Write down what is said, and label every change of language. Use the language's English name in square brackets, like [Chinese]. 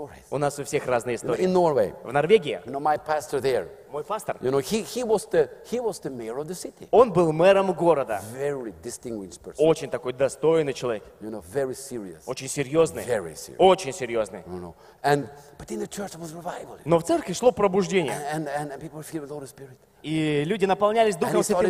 [Russian] У нас у всех разные истории. В Норвегии, мой пастор там, [English] you know, he was the mayor of the city. [Russian] Он был мэром города. [English] Very distinguished person. [Russian] Очень такой достойный человек. [English] You know, very serious. [Russian] Очень серьезный. [English] Very serious. [Russian] Очень серьезный. [English] You know, and but in the church was revival. [Russian] Но в церкви шло пробуждение. [English] And people filled with the Holy Spirit. [Russian] И люди наполнялись Духом Святым.